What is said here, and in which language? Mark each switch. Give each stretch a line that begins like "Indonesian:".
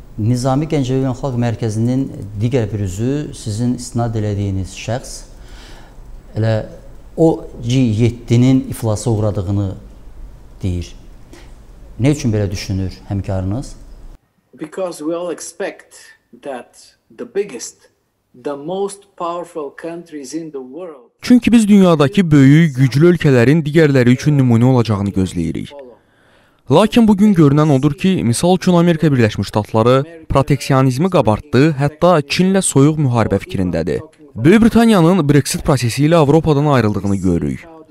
Azerbaijani: Nizami Gəncəvi Beynəlxalq Mərkəzinin digər bir üzü sizin istinad elədiyiniz şəxs elə o G7-nin iflasa uğradığını deyir. Nə üçün belə düşünür həmkarınız?
English: Because we all expect that the biggest, the most powerful countries in the world.
Azerbaijani: Çünki biz dünyadakı böyük, güclü ölkələrin digərləri üçün nümunə olacağını gözləyirik. Lakin bugün görünən odur ki, misal üçün Amerika Birləşmiş Ştatları proteksionizmi qabartdı, hətta Çinlə soyuq müharibə fikrindədir. Böyük Britaniyanın Brexit prosesi ilə Avropadan ayrıldığını görürük.